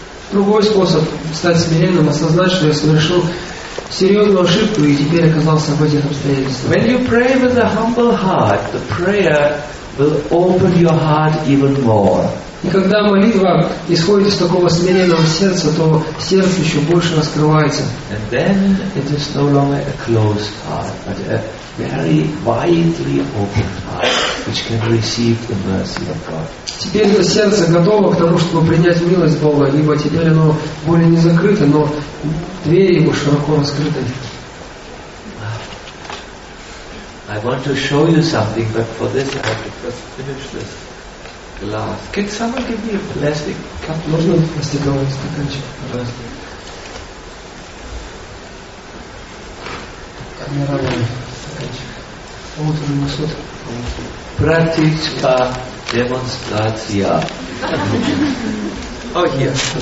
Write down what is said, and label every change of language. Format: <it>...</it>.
<ru>Другой способ стать смиренным, осознать, что я совершил серьезную ошибку и теперь оказался в этих обстоятельствах.</ru> <en>When you pray with a humble heart, the prayer will open your heart even more.</en> <ru>И когда молитва исходит из такого смиренного сердца, то сердце еще больше раскрывается.</ru> <en>And then it is no longer a closed heart, but a very widely open heart, which can receive the mercy of God.</en> <ru>Теперь это сердце готово к тому, чтобы принять милость Бога, ибо теперь оно более не закрыто, но двери его широко раскрыты.</ru> <en>I want to show you something, but for this I have to finish this. Glass. Can someone give me a plastic cup?</en> <ru>Можно пластиковый стаканчик? Пожалуйста. Камеральный стаканчик. Вот он, Масуд. Практичка демонстрация. О, нет.</ru>